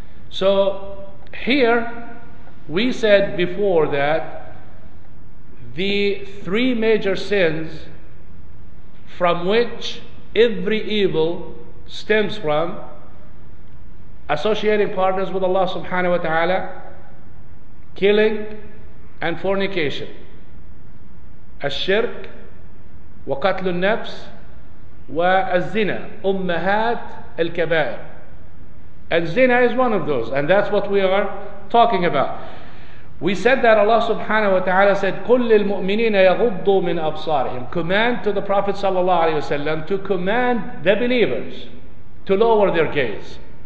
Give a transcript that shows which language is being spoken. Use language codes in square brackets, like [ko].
[en] So here we said before that the three major sins from which every evil stems from: associating partners with Allah subhanahu wa ta'ala, killing, and fornication. [ar] الشرك وقتل النفس والزنا أمهات الكبائر. [en] And zina is one of those, and that's what we are talking about. We said that Allah subhanahu wa ta'ala said [ar] قل للمؤمنين يغضوا من أبصارهم. [en] Command to the Prophet sallallahu alayhi wa sallam to command the believers to lower their gaze.